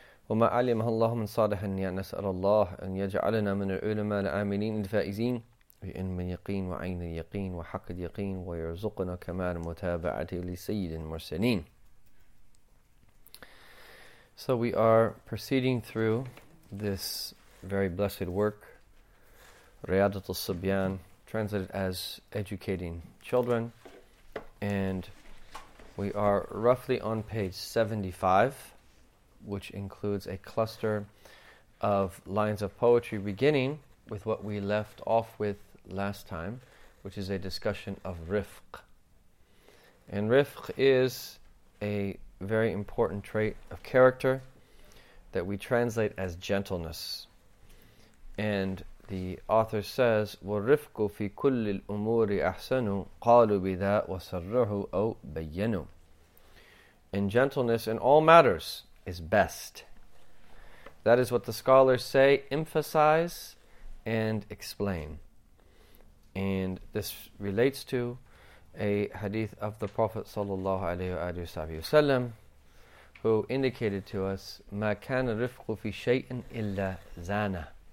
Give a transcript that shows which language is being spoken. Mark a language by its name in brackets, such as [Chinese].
[Arabic] وما علمه الله من صالح نسأل الله أن يجعلنا من العلماء العاملين الفائزين بعلم يقين وعين يقين وحق يقين ويرزقنا كمال متابعة لسيد المرسلين. [English] So we are proceeding through this very blessed work, Riyadة الصبيان, translated as Educating Children, and we are roughly on page 75. Which includes a cluster of lines of poetry beginning with what we left off with last time, which is a discussion of rifq. And rifq is a very important trait of character that we translate as gentleness. And the author says, [Arabic] وَالرِّفْقُ فِي كُلِّ الْأُمُورِ أَحْسَنُ قَالُوا بِذَا وَسَرَّهُ أَوْ بَيَّنُ. [English] And gentleness in all matters is best. That is what the scholars say, emphasize and explain. And this relates to a hadith of the Prophet sallallahu alaihi wasallam, who indicated to us, [Arabic] ma kana rifqu fi shay'in illa zana.